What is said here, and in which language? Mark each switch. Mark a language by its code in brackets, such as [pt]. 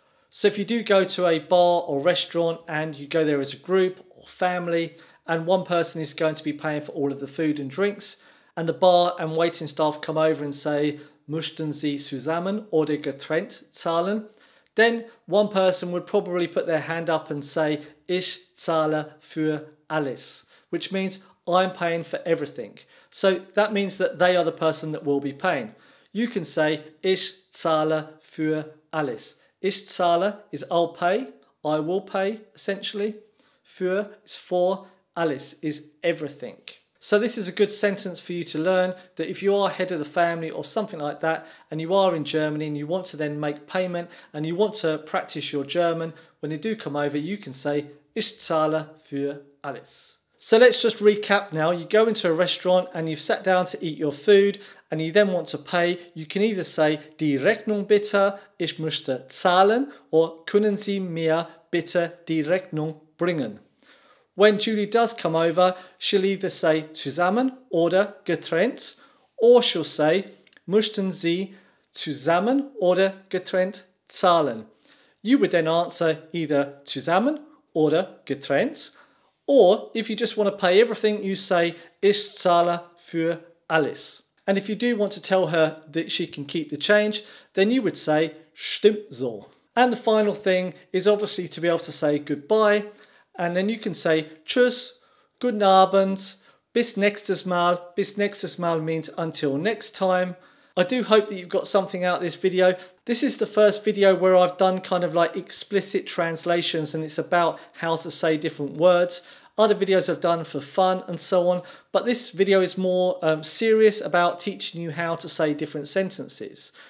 [en] So if you do go to a bar or restaurant and you go there as a group or family and one person is going to be paying for all of the food and drinks and the bar and waiting staff come over and say, [de] Möchten Sie zusammen oder getrennt zahlen? [en] Then one person would probably put their hand up and say, [de] Ich zahle für alles, [en] which means I'm paying for everything. So that means that they are the person that will be paying. You can say, [de] Ich zahle für alles. Ich zahle [en] is I'll pay, I will pay, essentially. Für is for, alles is everything. So this is a good sentence for you to learn that if you are head of the family or something like that and you are in Germany and you want to then make payment and you want to practice your German, when they do come over, you can say, [de] Ich zahle für alles. [en] So let's just recap now. You go into a restaurant and you've sat down to eat your food and you then want to pay. You can either say, [de] Die Rechnung bitte, ich möchte zahlen, [en] or [de] Können Sie mir bitte die Rechnung bringen? [en] When Julie does come over, she'll either say [de] zusammen oder getrennt, [en] or she'll say [de] möchten Sie zusammen oder getrennt zahlen. [en] You would then answer either [de] zusammen oder getrennt, [en] or if you just want to pay everything, you say [de] ich zahle für alles. [en] And if you do want to tell her that she can keep the change, then you would say [de] stimmt so. [en] And the final thing is obviously to be able to say goodbye. And then you can say, [de] Tschüss, guten Abend, bis nächstes Mal. Bis nächstes Mal [en] means until next time. I do hope that you've got something out of this video. This is the first video where I've done kind of like explicit translations and it's about how to say different words. Other videos I've done for fun and so on. But this video is more serious about teaching you how to say different sentences.